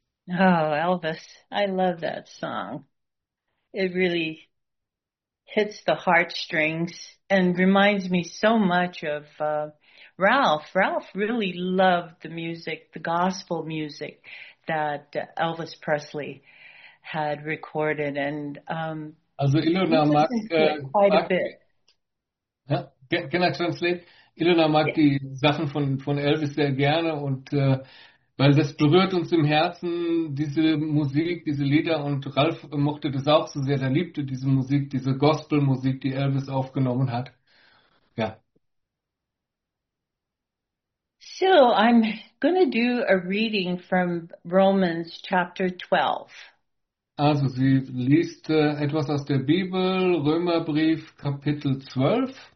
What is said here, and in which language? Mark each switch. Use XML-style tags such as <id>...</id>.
<en>Oh, Elvis, I love that song. It really hits the heartstrings and reminds me so much of Ralph. Ralph really loved the music, the gospel music that Elvis Presley had recorded, and Also, he Ilona listened to it quite a bit. ja, can I translate?</en> <de>Ilona mag die Sachen von Elvis sehr gerne und weil das berührt uns im Herzen, diese Musik, diese Lieder, und Ralf mochte das auch so sehr, er liebte diese Musik, diese Gospelmusik, die Elvis aufgenommen hat. Ja.</de> <en>So, I'm going to do a reading from Romans chapter 12.</en> <de>Also, sie liest etwas aus der Bibel, Römerbrief, Kapitel 12.</de>